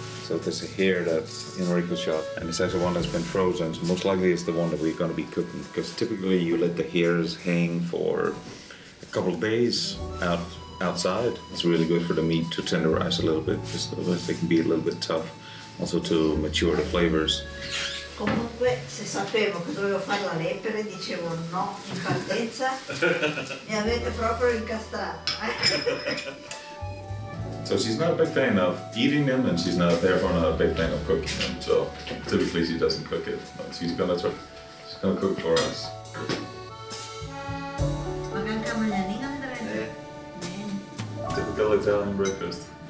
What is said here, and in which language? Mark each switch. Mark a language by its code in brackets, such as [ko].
[en] There's a hare that Enrico shot, and it's actually one that's been frozen, so most likely it's the one that we're going to be cooking, because typically you let the hares hang for a couple of days outside. It's really good for the meat to tenderize a little bit, just otherwise they can be a little bit tough, also to mature the flavors. [it] Comunque, se sapevo che dovevo fare la lepre, dicevo no, in partenza, mi avete proprio incastrato. [en] So she's not a big fan of eating them, and she's not therefore not a big fan of cooking them. So typically she doesn't cook it, but she's gonna cook for us. Typical Italian breakfast.